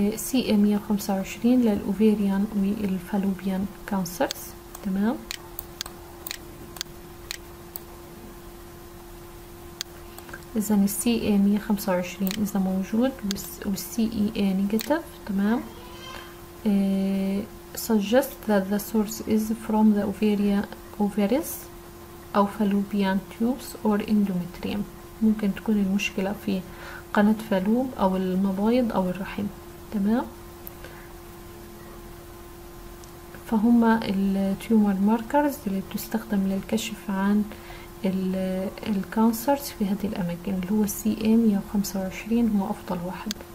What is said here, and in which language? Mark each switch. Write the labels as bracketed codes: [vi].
[ar] CA125 للأوفيريان والفالوبيان كانسرز. تمام. اذا CA125 اذا موجود والCEA نيجاتيف. تمام. [en] suggest that the source is from the ovaries أو fallopian tubes or endometrium. [ar] ممكن تكون المشكلة في قناة فالوب أو المبايض أو الرحم. تمام. فهما التيومر ماركرز اللي بتستخدم للكشف عن الكانسرز في هذه الأماكن اللي هو CA125 هو أفضل واحد.